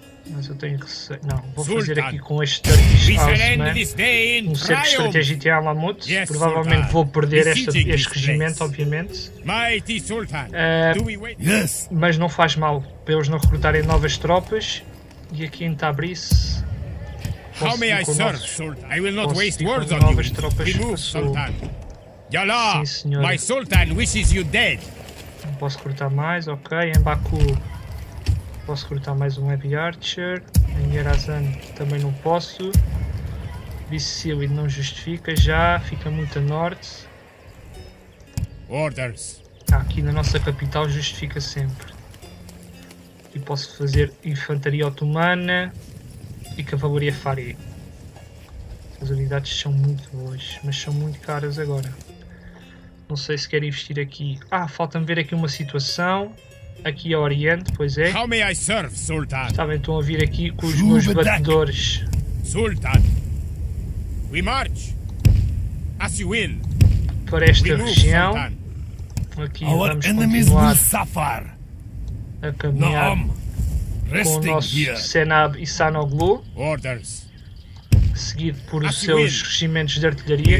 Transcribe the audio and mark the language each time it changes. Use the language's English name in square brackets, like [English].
[Portuguese] Mas eu tenho que... fazer aqui com este Turkish Osman um cerco estratégico em Alamut. Yes, provavelmente Sultan. Vou perder este regimento, obviamente. [English] Mighty Sultan. Yes. [Portuguese] Mas não faz mal para eles não recrutarem novas tropas. E aqui em Tabriz... [English] How may I serve, Sultan? I will not waste words on you. Remove, Sultan. Yala, my Sultan wishes you dead. [Portuguese] Não posso cortar mais, ok. Em Baku, posso cortar mais um Heavy Archer. Em Yerazan, também não posso. Vissili não justifica já, fica muito a norte. [English] Orders. [Portuguese] Aqui na nossa capital justifica sempre. E posso fazer Infantaria Otomana. E cavalaria Fari. As unidades são muito boas, mas são muito caras agora. Não sei se quero investir aqui. Ah, falta-me ver aqui uma situação. Aqui a Oriente, pois é. [English] How may I serve, Sultan? [Portuguese] Estavam então a vir aqui com os meus batedores. [English] Sultan, we march as you will. [Portuguese] Para esta região. Aqui vamos continuar a caminhar. Com o nosso Senab e Sanoglu, seguido por os seus regimentos de artilharia.